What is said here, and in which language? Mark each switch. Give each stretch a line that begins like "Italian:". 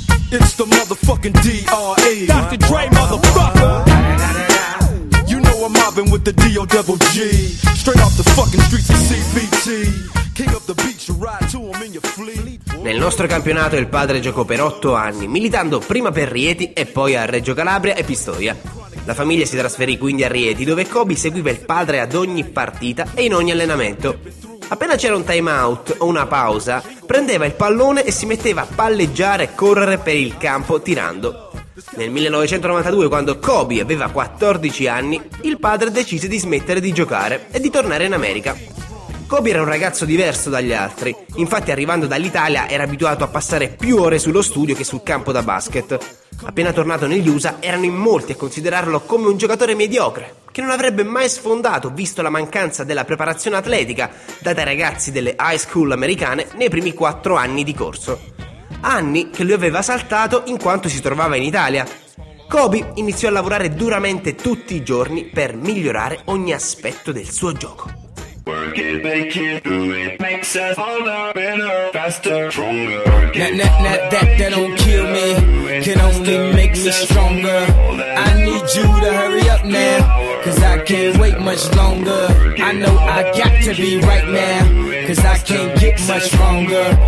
English: It's the motherfucking D.R.E. Dr. Dre, motherfucker. You know I'm mobbing with the D.O.G. Straight off the fucking streets of CPT.
Italian: Nel nostro campionato il padre giocò per 8 anni, militando prima per Rieti e poi a Reggio Calabria e Pistoia. La famiglia si trasferì quindi a Rieti, dove Kobe seguiva il padre ad ogni partita e in ogni allenamento. Appena c'era un time out o una pausa, prendeva il pallone e si metteva a palleggiare e correre per il campo tirando. Nel 1992, quando Kobe aveva 14 anni, il padre decise di smettere di giocare e di tornare in America. Kobe era un ragazzo diverso dagli altri, infatti arrivando dall'Italia era abituato a passare più ore sullo studio che sul campo da basket. Appena tornato negli USA erano in molti a considerarlo come un giocatore mediocre, che non avrebbe mai sfondato visto la mancanza della preparazione atletica data ai ragazzi delle high school americane nei primi 4 anni di corso. Anni che lui aveva saltato in quanto si trovava in Italia. Kobe iniziò a lavorare duramente tutti i giorni per migliorare ogni aspetto del suo gioco.
English: Work it, make it, do it, makes us all up in a faster, stronger. That don't kill me, can only make me stronger. I need you to hurry up now, cause I can't wait much longer. I know I got to be right now, cause I can't get much stronger.